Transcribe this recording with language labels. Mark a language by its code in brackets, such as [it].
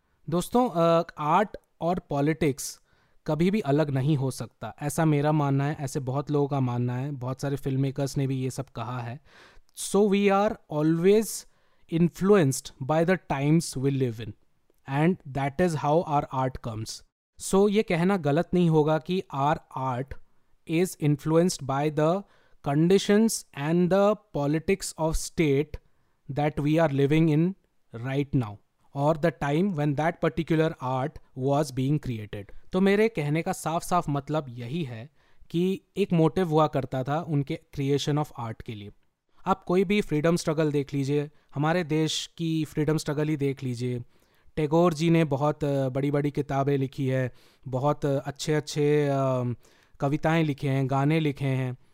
[hi] दोस्तों, आर्ट और पॉलिटिक्स कभी भी अलग नहीं हो सकता, ऐसा मेरा मानना है, ऐसे बहुत लोगों का मानना है, बहुत सारे फिल्म मेकर्स ने भी ये सब कहा है। [en] So we are always influenced by the times we live in and that is how our art comes. [hi] सो ये कहना गलत नहीं होगा कि are art [en] is influenced by the conditions and the politics of state that we are living in right now or the time when that particular art was being created. [hi] तो मेरे कहने का साफ साफ मतलब यही है कि एक motive हुआ करता था उनके [en] creation of art [hi] के लिए। आप कोई भी freedom struggle देख लीजिए, हमारे देश की freedom struggle ही देख लीजिए, टैगोर जी ने बहुत बड़ी बड़ी किताबें लिखी है, बहुत अच्छे अच्छे कविताएं लिखे हैं, गाने लिखे हैं।